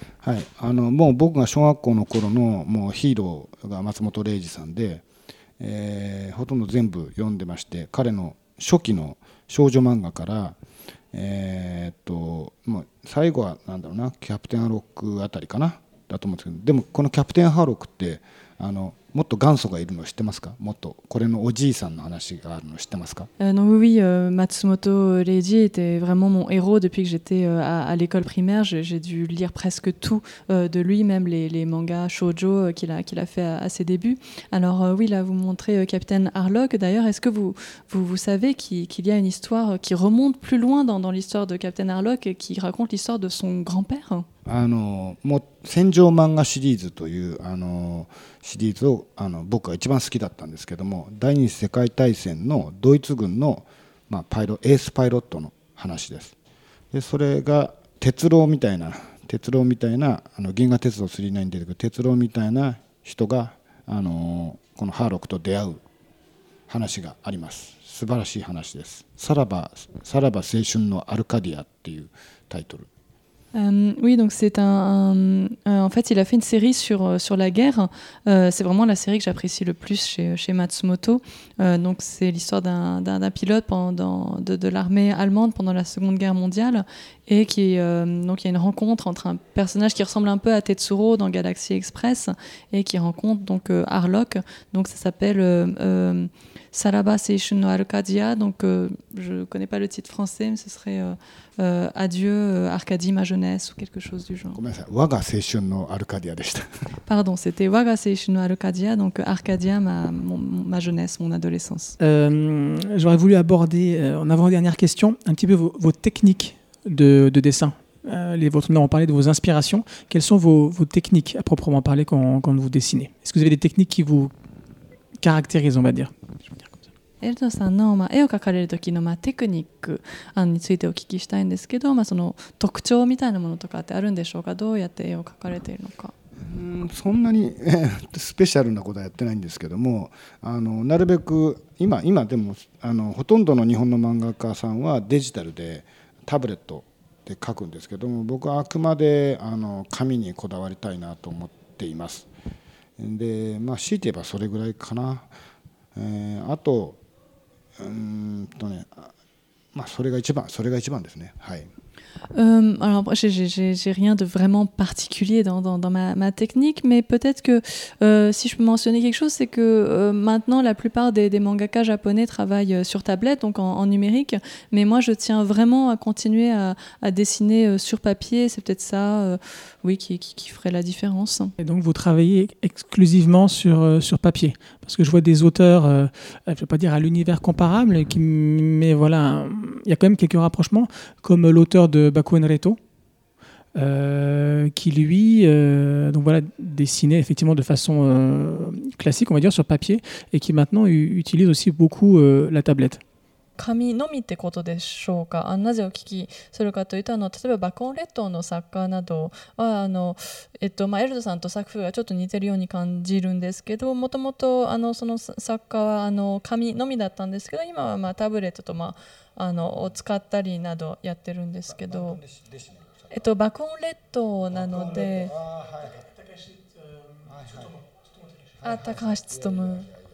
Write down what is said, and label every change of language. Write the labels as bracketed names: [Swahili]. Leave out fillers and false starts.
[Japanese] はい、あのもう僕が小学校の頃のもうヒーローが松本零士さんで、ほとんど全部読んでまして、彼の初期の少女漫画から、もう最後はなんだろうな、キャプテンハーロックあたりかなだと思うんですけど、でもこのキャプテンハーロックってあのもっと元祖がいるの知ってますか？もっとこれのおじいさんの話があるの知ってますか？ [French] Oui, Matsumoto Leiji était vraiment mon héros depuis que j'étais à l'école primaire. J'ai dû lire presque tout de lui, même les mangas shoujo qu'il a fait à ses débuts. Alors oui, là vous montrez Captain Harlock. D'ailleurs, est-ce que vous savez qu'il y a une histoire qui remonte plus loin dans l'histoire de Captain Harlock et qui raconte l'histoire de son grand-père？ [Japanese] あのもう戦場漫画シリーズというあのシリーズをあの僕が一番好きだったんですけども、第二次世界大戦のドイツ軍の、まあ、パイロエースパイロットの話です。でそれが鉄郎みたいなあの銀河鉄道3に出てくる鉄郎みたいな人があのこのハーロックと出会う話があります。素晴らしい話です。さらば青春のアルカディアっていうタイトル。 [French] Oui, donc c'est en fait, il a fait une série sur la guerre. C'est vraiment la série que j'apprécie le plus chez Matsumoto. Donc c'est l'histoire d'un pilote de l'armée allemande pendant la Seconde Guerre mondiale, et qui donc il y a une rencontre entre un personnage qui ressemble un peu à Tetsuro dans Galaxy Express et qui rencontre donc Harlock. Donc ça s'appelle Saraba Seishun no Arcadia. Donc je connais pas le titre français, mais ce serait Adieu Arcadie ma jeunesse ou quelque chose du genre. Comment ça? [Japanese] Waga Seishun no Arcadia deshita. [French] Pardon, c'était Waga Seishun no Arcadia, donc Arcadia ma jeunesse, mon adolescence. J'aurais voulu aborder en avant-dernière question un petit peu vos techniques de dessin. On parlait de vos inspirations. Quelles sont vos techniques à proprement parler quand vous dessinez? Est-ce que vous avez des techniques qui vous caractérisent, on va dire? [Japanese] エルドさんの、まあ、絵を描かれる時の、まあ、テクニックについてお聞きしたいんですけど、まあ、その特徴みたいなものとかってあるんでしょうか？どうやって絵を描かれているのか。そんなにスペシャルなことはやってないんですけども、あのなるべく今でもあのほとんどの日本の漫画家さんはデジタルでタブレットで描くんですけども、僕はあくまであの紙にこだわりたいなと思っています。で、まあ、強いて言えばそれぐらいかな。あとね、まあ、それが一番ですね。はい。 [French] Alors, j'ai rien de vraiment particulier dans ma technique, mais peut-être que si je peux mentionner quelque chose, c'est que maintenant la plupart des mangaka japonais travaillent sur tablette, donc en numérique. Mais moi, je tiens vraiment à continuer à dessiner sur papier. C'est peut-être ça, oui, qui ferait la différence. Et donc, vous travaillez exclusivement sur papier, parce que je vois des auteurs, je ne vais pas dire à l'univers comparable, mais voilà, il y a quand même quelques rapprochements, comme l'auteur de Bakuen Reto, qui lui donc voilà, dessinait effectivement de façon classique, on va dire, sur papier, et qui maintenant utilise aussi beaucoup la tablette. [Japanese] 紙のみってことでしょうか？なぜお聞きするかというと、例えばバコンレッドの作家などはまあ、エルドさんと作風がちょっと似てるように感じるんですけど、もともとその作家は紙のみだったんですけど、今は、まあ、タブレットと、まあ、を使ったりなどやってるんですけど、バコンレッドなので、あ、高橋つとむ。